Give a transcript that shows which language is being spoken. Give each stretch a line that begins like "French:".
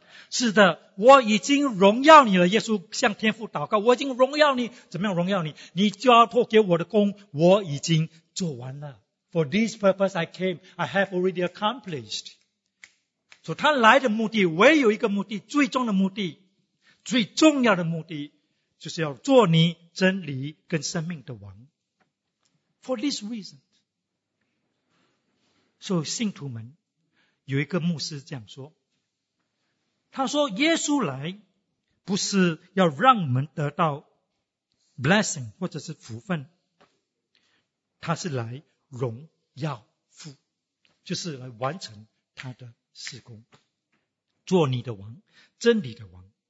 Chinese: 是的，我已经荣耀你了，耶稣向天父祷告，我已经荣耀你。怎么样荣耀你？你就要托给我的功，我已经做完了。
English: For this purpose I came, I have already accomplished.
Chinese: 所以他来的目的唯有一个目的，最终的目的，最重要的目的，就是要做你真理跟生命的王。
English: For this reason.
Chinese: 所以信徒们，有一个牧师这样说，他说耶稣来不是要让我们得到 blessing 或者是福分，他是来荣耀父，就是来完成他的事工，做你的王，真理的王。